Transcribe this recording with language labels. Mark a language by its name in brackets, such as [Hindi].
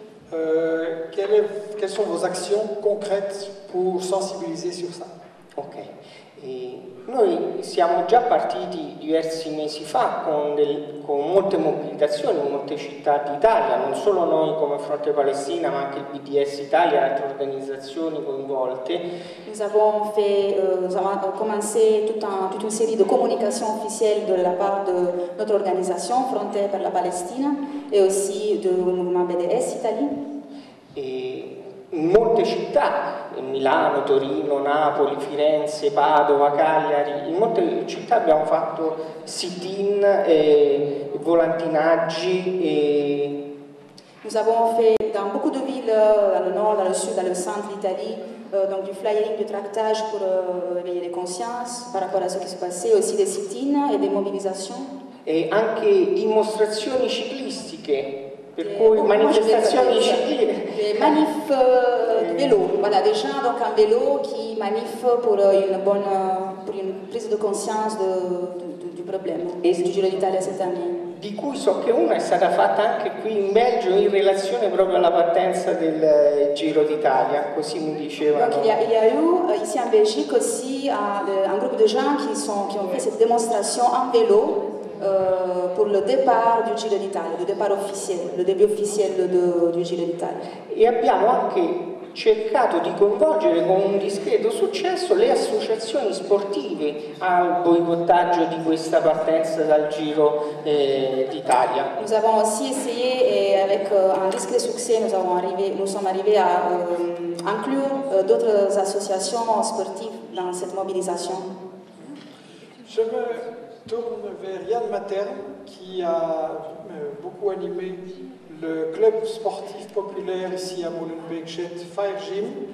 [French] Quelles sont vos actions concrètes pour sensibiliser sur ça? Ok. [Italian] Noi siamo già partiti diversi mesi fa con molte mobilitazioni in molte città d'Italia, non solo noi come Fronte Palestina, ma anche il BDS Italia e altre organizzazioni coinvolte. Abbiamo cominciato tutta una serie di comunicazioni ufficiali da parte della nostra organizzazione Fronte per la Palestina e anche del movimento BDS Italia. In molte città, in Milano, Torino, Napoli, Firenze, Padova, Cagliari, in molte città abbiamo fatto sit-in e volantinaggi e [French] nous avons fait dans beaucoup de villes dans le nord, dans le sud, dans le centre d'Italie donc du flyering, du tractage pour réveiller les consciences par rapport à ce qui se passait, aussi des sit-in et des mobilisations [Italian] e anche dimostrazioni ciclistiche. Per cui manifestazioni civili. [French] Manif di vélo, voilà, des gens donc en vélo qui manifestent pour une bonne pour une prise de conscience du problème. Et du Giro d'Italia cette année. [Italian] Di cui so che una è stata fatta anche qui in Belgio in relazione proprio alla partenza del Giro d'Italia, così mi dicevano. [French] Donc, il y a eu ici en Belgique aussi un groupe de gens qui ont fait cette démonstration en vélo. Pour le départ du Giro d'Italia, le départ officiel, le début officiel du Giro d'Italia. [Italian] E abbiamo anche cercato di coinvolgere con un discreto successo le associazioni sportive al boicottaggio di questa partenza dal Giro d'Italia. [French] Nous avons aussi essayé et avec un discret succès nous sommes arrivés à inclure d'autres associations sportives dans cette mobilisation. Je tourne vers Yann Materne qui a beaucoup animé le club sportif populaire ici à Molenbeek, Jet Fire Gym.